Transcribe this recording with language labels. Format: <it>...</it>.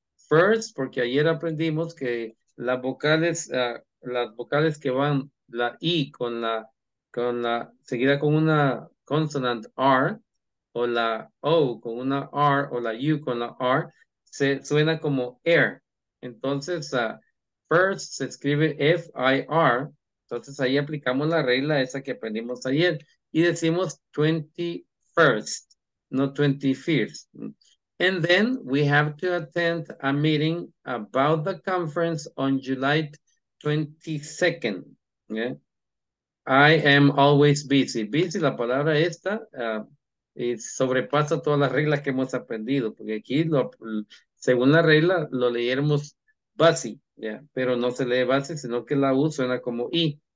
<es>First, porque ayer aprendimos que las vocales que van la I con la seguida con una consonant R o la O con una R o la U con la R se suena como air. Entonces, first se escribe F-I-R. Entonces, ahí aplicamos la regla esa que aprendimos ayer y decimos 21st, no 25th.</es> <en>And then we have to attend a meeting about the conference on July 22nd. Yeah. I am always busy.</en> <es>Busy, la palabra esta, sobrepasa todas las reglas que hemos aprendido. Porque aquí, según la regla, lo leyéramos busy. Yeah. Pero no se lee busy, sino que la U suena como I.</es>